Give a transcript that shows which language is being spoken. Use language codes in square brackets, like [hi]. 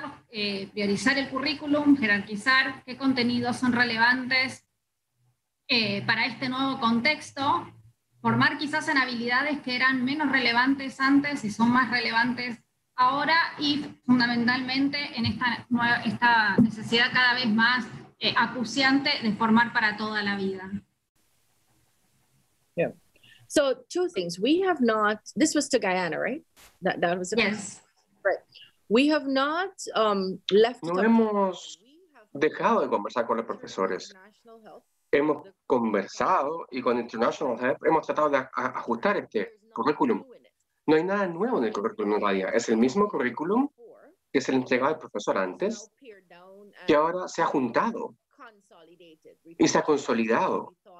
[es] Priorizar el currículum, jerarquizar qué contenidos son relevantes para este nuevo contexto, formar quizás en habilidades que eran menos relevantes antes y son más relevantes ahora, y fundamentalmente en esta necesidad cada vez más acuciante de formar para toda la vida. [en] Yeah. So two things. We have not, this was to Guyana, right? That was it? Yes. Right. We have not, left [es] no hemos dejado de conversar con los profesores. Hemos conversado y con International Health hemos tratado de ajustar este currículum. No hay nada nuevo en el currículum todavía. Es el mismo currículum que se le entregaba al profesor antes, que ahora se ha juntado y se ha consolidado.